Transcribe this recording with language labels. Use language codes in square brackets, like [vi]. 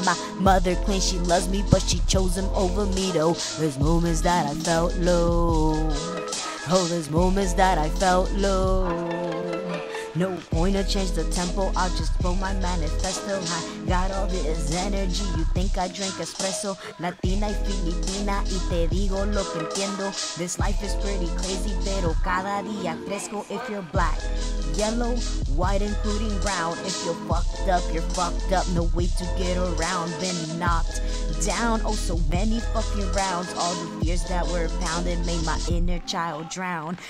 [en] My mother claims she loves me, but she chose him over me, though. There's moments that I felt low. Oh, there's moments that I felt low. No point to change the tempo, I'll just throw my manifesto. I got all this energy, you think I drink espresso. [es] Latina y Filipina, y te digo lo que entiendo. [en] This life is pretty crazy, [es] pero cada día fresco. [en] If you're black, yellow, white, including brown. If you're fucked up, you're fucked up. No way to get around, been knocked down. Oh, so many fucking rounds. All the fears that were founded made my inner child drown.